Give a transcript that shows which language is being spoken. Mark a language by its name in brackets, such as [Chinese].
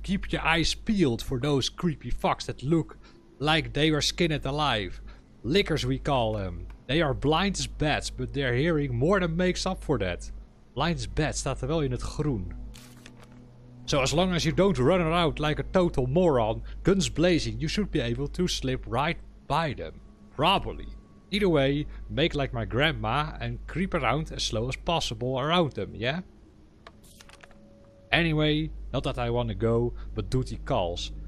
[English] Keep your eyes peeled for those creepy fucks that look like they were skinned alive. Lickers we call them. They are blind as bats, but their hearing more than makes up for that. Blind as bats [Dutch] staat er wel in het groen. [English] So as long as you don't run around like a total moron, guns blazing, you should be able to slip right by them. Probably. Either way, make like my grandma and creep around as slow as possible around them, yeah? Anyway, not that I want to go, but duty calls.